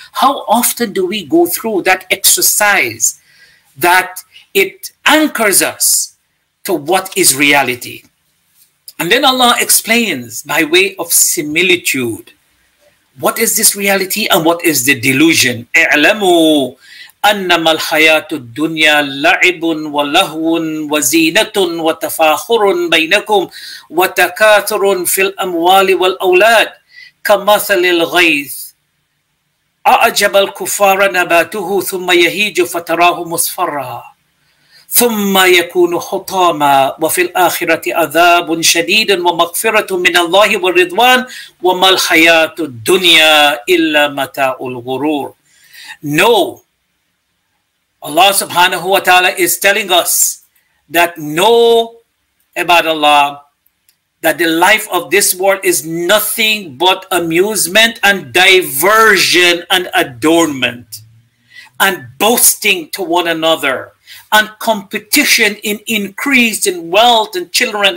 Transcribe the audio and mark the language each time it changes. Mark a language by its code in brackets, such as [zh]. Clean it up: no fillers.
[en] How often do we go through that exercise that it anchors us to what is reality? And then Allah explains by way of similitude, what is this reality and what is the delusion? [ar] اعلموا أنما الحياة الدنيا لعب ولهو وزينة وتفاخر بينكم وتكاثر في الأموال والأولاد كمثل الغيث أعجب الكفار نباته ثم يهيج فتراه مصفرا ثم يكون حطاما وفي الآخرة عذاب شديد ومغفرة من الله والرضوان وما الحياة الدنيا إلا متاع الغرور. No. [en] Allah subhanahu wa ta'ala is telling us that know about Allah that the life of this world is nothing but amusement and diversion and adornment and boasting to one another and competition in increase in wealth and children.